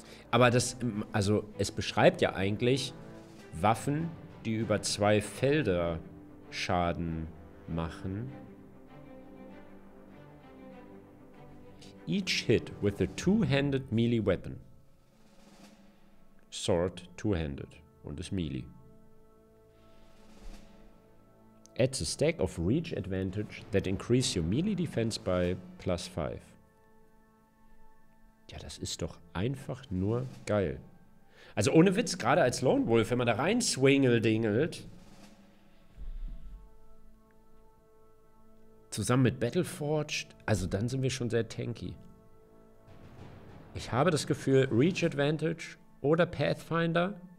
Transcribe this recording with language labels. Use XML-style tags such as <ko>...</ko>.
<de>Aber das, also, es beschreibt ja eigentlich Waffen, die über zwei Felder Schaden machen.</de> <en>Each hit with a two-handed melee weapon. Sword two-handed.</en> <de>Und ist melee.</de> <en>Adds a stack of reach advantage that increase your melee defense by plus 5.</en> <de>Ja, das ist doch einfach nur geil. Also ohne Witz, gerade als Lone Wolf, wenn man da rein swingeldingelt. Zusammen mit Battleforged. Also dann sind wir schon sehr tanky. Ich habe das Gefühl, Reach Advantage oder Pathfinder.</de>